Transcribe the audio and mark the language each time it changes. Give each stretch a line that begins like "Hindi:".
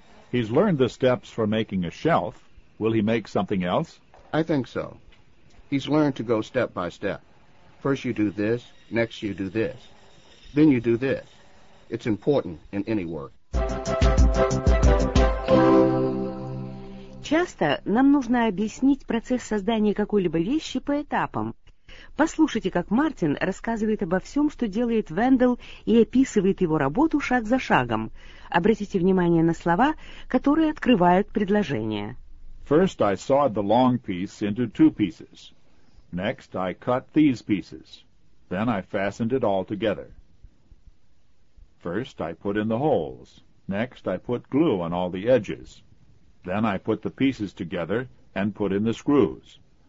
English: He's learned the steps for making a shelf. Will he make something else? I think so. He's learned to go step by step. First you do this, next you do this. Then you do this. It's important in any work.
Russian: Часто нам нужно объяснить процесс создания какой-либо вещи по этапам. Послушайте, как Мартин рассказывает обо всем, что делает Вендел, и описывает его работу шаг за шагом. Обратите внимание на слова, которые открывают предложение.
English: First I sawed the long piece into two pieces. Next I cut these pieces. Then I fastened it all together. First I put in the holes. Next I put glue on all the edges. Then I put the pieces together and put in the screws.